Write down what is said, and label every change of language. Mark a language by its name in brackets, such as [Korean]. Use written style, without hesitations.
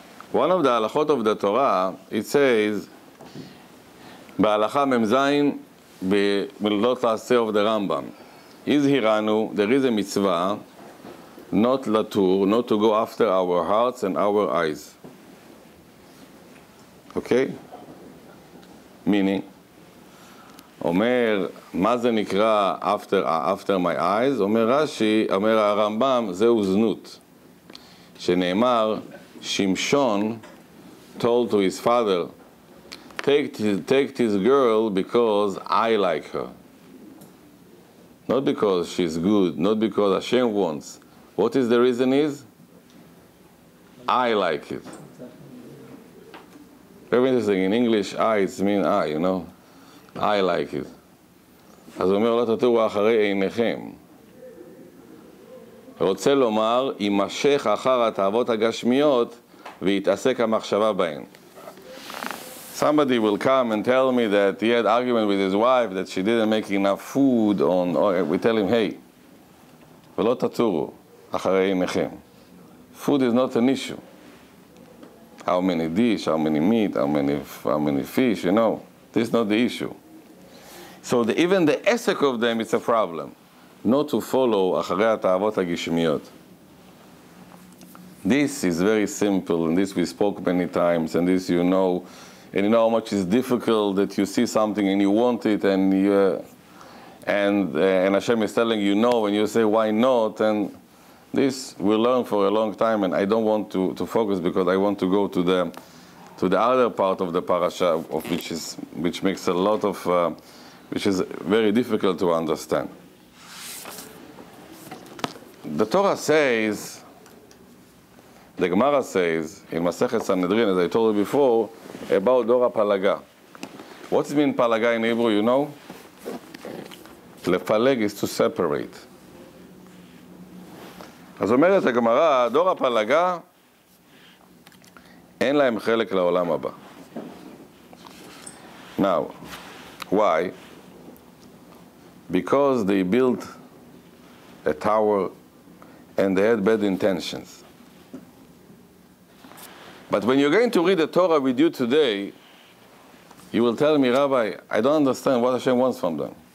[English] One of the halachot of the Torah, it says, "Be'alacha memzayin be'milot la'aseh of the Rambam." Is hiranu, there is a mitzvah, not latur, not to go after our hearts and our eyes. Okay? Meaning, [Hebrew] אומר, מה זה נקרא [English] after my eyes? [Hebrew] אומר רשי, אומר הרמב״ם, זהו זנות. [English] שנאמר, שמשון told to his father, take this girl because I like her. not because she's good, not because Hashem wants. What is the reason is? I like it. Very interesting. In English, I means I, you know? I like it. [Hebrew] אז הוא אומר, לא תתורו אחרי עיניכם. רוצה לומר, יימשך אחר התאוות הגשמיות ויתעסק המחשבה בהן. [English] Somebody will come and tell me that he had argument with his wife that she didn't make enough food on, or we tell him, hey, [Hebrew] ולא תתורו אחרי עיניכם. [English] Food is not an issue. How many dish, how many meat, how many fish, you know? This is not the issue. So even the esek of them, it's a problem. Not to follow [Hebrew] אחרי התאוות הגשמיות. [English] This is very simple, and this we spoke many times, and this you know, and you know how much it's difficult that you see something and you want it, and Hashem is telling you no, and you say, why not? And this we learned for a long time, and I don't want to focus because I want to go to the other part of the parasha, of which makes a lot of... which is very difficult to understand. The Torah says, the Gemara says, in Masechet Sanhedrin, as I told you before, about Dor HaPalaga. What does it mean, Palaga in Hebrew, you know? Lepaleg is to separate. [Hebrew] אז אומרת הגמרא, דור הפלגה, אין להם חלק לעולם הבא. [English] Now, why? Because they built a tower and they had bad intentions. But when you're going to read the Torah with you today, you will tell me, Rabbi, I don't understand what Hashem wants from them.